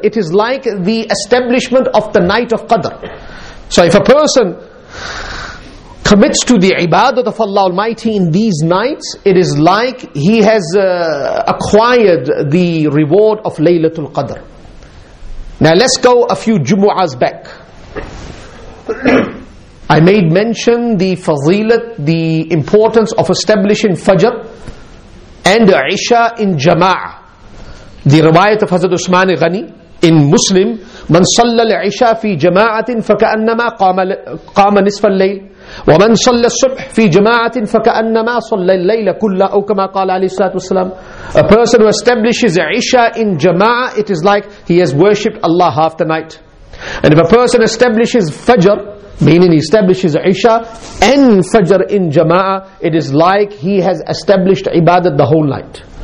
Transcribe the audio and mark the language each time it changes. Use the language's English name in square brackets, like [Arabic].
[English] It is like the establishment of the night of Qadr. So if a person commits to the ibadat of Allah Almighty in these nights, it is like he has acquired the reward of Laylatul Qadr. Now let's go a few Jumu'ahs back. I made mention the fazilat, the importance of establishing Fajr and Isha in Jama'ah. The riwayat of Hazrat Usman Ghani in Muslim, [Arabic] من صلى العشاء في جماعة فكأنما قام نصف الليل وَمَنْ صَلَّ الصُّبْحِ فِي جَمَاعَةٍ فَكَأَنَّمَا صَلَّ اللَّيْلَ كُلَّا أَوْ كَمَا قَالَ عَلَيْهِ الصَّلَاةُ وَالسَّلَامُ. [English] A person who establishes Isha in Jama'ah, it is like he has worshipped Allah half the night. And if a person establishes Fajr, meaning he establishes Isha and Fajr in Jama'ah, it is like he has established Ibadat the whole night.